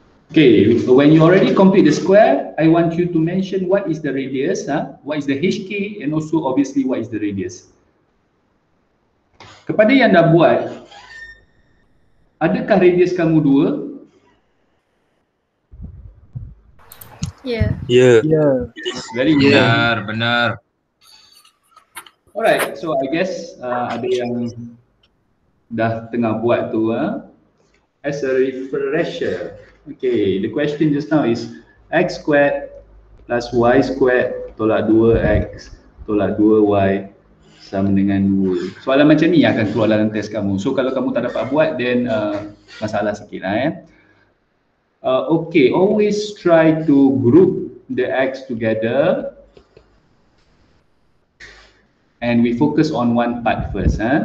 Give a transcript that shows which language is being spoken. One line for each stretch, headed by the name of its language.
English: Okay, when you already complete the square, I want you to mention what is the radius, what is the HK and also obviously what is the radius.
Malay: Kepada yang dah buat, adakah radius kamu 2?
English: Yeah. Yeah. Yeah. Very good.
Malay: Benar, benar.
English: Alright, so I guess
Malay: ada yang dah tengah buat tu.
English: As a refresher. Okay, the question just now is x squared plus y squared tolak 2x tolak 2y
Malay: sama dengan
English: 2.
Malay: Soalan macam ni akan keluar dalam test kamu. So kalau kamu tak dapat buat, then masalah sikit lah.
English: Okay, always try to group the x together and we focus on one part first.